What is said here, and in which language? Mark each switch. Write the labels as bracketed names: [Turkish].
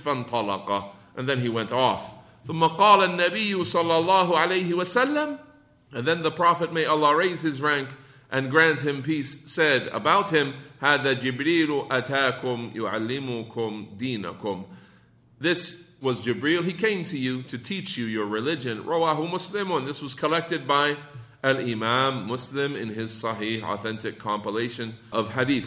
[Arabic] فانطلق. [English] And then he went off. [Arabic] ثم قال النبي صلى الله عليه وسلم. [English] And then the Prophet, may Allah raise his rank and grant him peace, said about him, [Arabic] هذا جبريل أتاكم يعلمكم دينكم. [English] This was Jibreel. He came to you to teach you your religion. [Arabic] رواه مسلم. [English] And this was collected by Al-Imam Muslim in his Sahih, authentic compilation of hadith.